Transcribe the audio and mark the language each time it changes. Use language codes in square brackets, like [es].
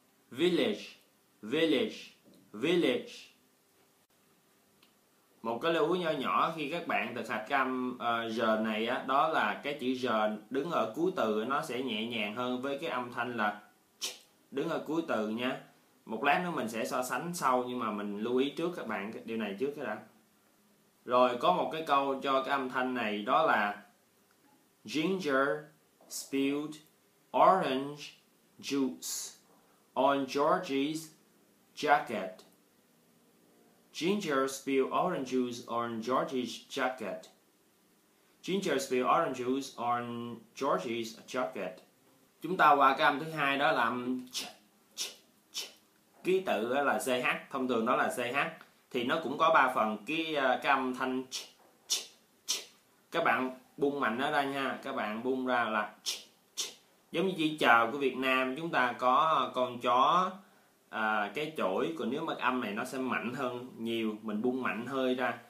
[en] Village, village, village. [vi] Một cái lưu ý nhỏ nhỏ khi các bạn thực hành âm J này á, đó là cái chữ J đứng ở cuối từ nó sẽ nhẹ nhàng hơn với cái âm thanh là Ch đứng ở cuối từ nha. Một lát nữa mình sẽ so sánh sau, nhưng mà mình lưu ý trước các bạn cái điều này trước cái đã. Rồi có một cái câu cho cái âm thanh này, đó là [en] ginger spilled orange juice on George's jacket. Ginger spilled orange juice on George's jacket. Ginger spilled orange juice on George's jacket. [vi] Chúng ta qua cái âm thứ hai đó là ch, ch, ch. Ký tự là CH, thông thường nó là CH. Thì nó cũng có ba phần cái âm thanh ch, ch, ch. Các bạn bung mạnh nó ra nha, các bạn bung ra là ch, ch. Giống như chữ chờ của Việt Nam, chúng ta có con chó, cái chổi, còn nếu mà âm này nó sẽ mạnh hơn nhiều, mình bung mạnh hơi ra.